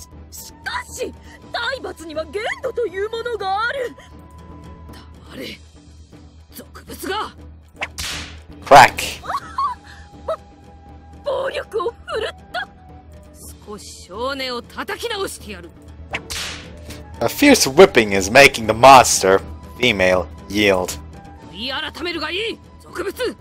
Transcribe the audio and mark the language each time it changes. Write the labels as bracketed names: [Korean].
[Japanese] しかし体罰には限度というものがある。黙れ俗物が。 [English] Crack. [Japanese] 暴力を振るった。少し少年を叩き直してやる。 [English] A fierce whipping is making the monster female yield. [Japanese] 言い改めるがいい俗物。